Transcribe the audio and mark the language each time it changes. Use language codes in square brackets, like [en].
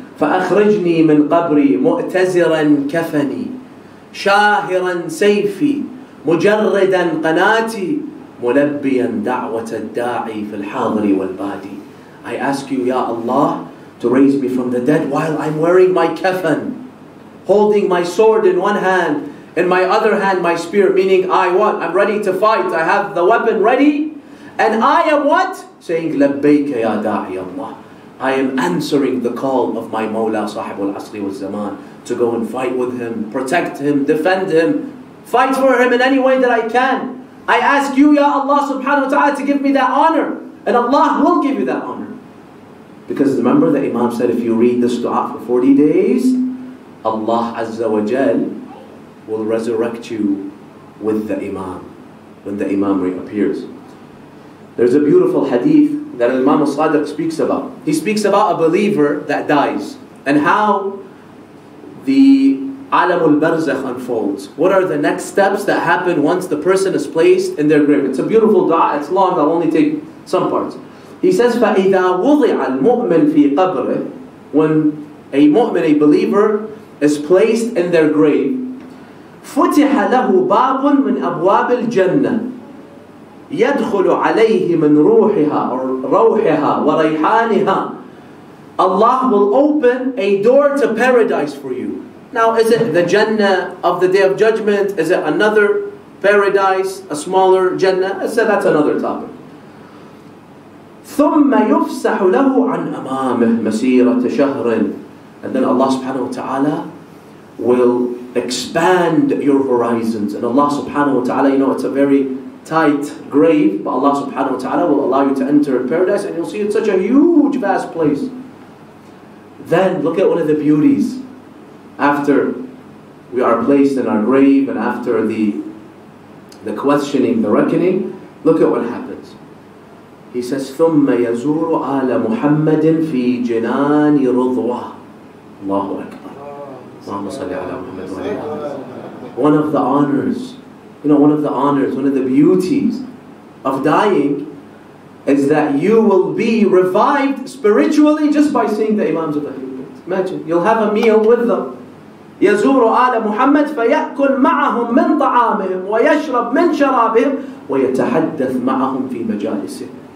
[ar] فَأَخْرِجْنِي مِنْ قَبْرِي مُؤْتَزِرًا كَفَنِي شَاهِرًا سَيْفِي مُجَرِّدًا قَنَاتِي مُلَبِّيًا دَعْوَةَ الدَّاعِي فِي الْحَاضْرِ وَالْبَادِي. [en] I ask you, Ya Allah, to raise me from the dead while I'm wearing my kafan, holding my sword in one hand, in my other hand my spear, meaning I'm ready to fight, I have the weapon ready, and I am what? Saying, [ar] لَبَّيْكَ يَا دَاعِيَ اللَّهِ. [en] I am answering the call of my Mawla Sahib al-Asri wal-Zaman to go and fight with him, protect him, defend him, fight for him in any way that I can. I ask you, Ya Allah subhanahu wa ta'ala, to give me that honor, and Allah will give you that honor. Because remember the Imam said, if you read this dua for 40 days, Allah Azza wa Jal will resurrect you with the Imam, when the Imam reappears. There's a beautiful hadith that Imam al-Sadiq speaks about. He speaks about a believer that dies, and how the Alam al-Barzakh unfolds. What are the next steps that happen once the person is placed in their grave? It's a beautiful dua, it's long, I'll only take some parts. He says, [ar] فَإِذَا وُضِعَ الْمُؤْمِنْ فِي قَبْرِهِ. [en] When a mu'min, a believer, is placed in their grave, [ar] فُتِحَ لَهُ بَابٌ مِنْ أَبْوَابِ الْجَنَّةِ يَدْخُلُ عَلَيْهِ مِنْ رُوحِهَا or رَوْحِهَا وَرَيْحَانِهَا. [en] Allah will open a door to paradise for you. Now, is it the Jannah of the Day of Judgment? Is it another paradise, a smaller Jannah? So that's another topic. [ar] ثُمَّ يُفْسَحُ لَهُ عَنْ أَمَامِهِ مَسِيرَةَ شَهْرٍ. [en] And then Allah subhanahu wa ta'ala will expand your horizons. And Allah subhanahu wa ta'ala, you know, it's a very tight grave, but Allah subhanahu wa ta'ala will allow you to enter paradise, and you'll see it's such a huge, vast place. Then look at one of the beauties. After we are placed in our grave, and after the questioning, the reckoning, look at what happens. He says, [ar] ثُمَّ يَزُورُ آلَ مُحَمَّدٍ فِي جِنَانِ رُضْوَةٍ. Allahu Akbar. Allahumma salli ala Muhammad wa ala alihi. [en] One of the honors, you know, one of the honors, one of the beauties of dying is that you will be revived spiritually just by seeing the Imams of the Ahlul Bayt. Imagine, you'll have a meal with them. [ar] يَزُورُ آلَ مُحَمَّدْ فَيَأْكُلْ مَعَهُمْ مِنْ طَعَامِهِمْ وَيَشْرَبْ مِنْ شَرَابِهِمْ وَيَتَحَدَّثْ مَعَهُمْ فِي مَجَالِسِهِمْ.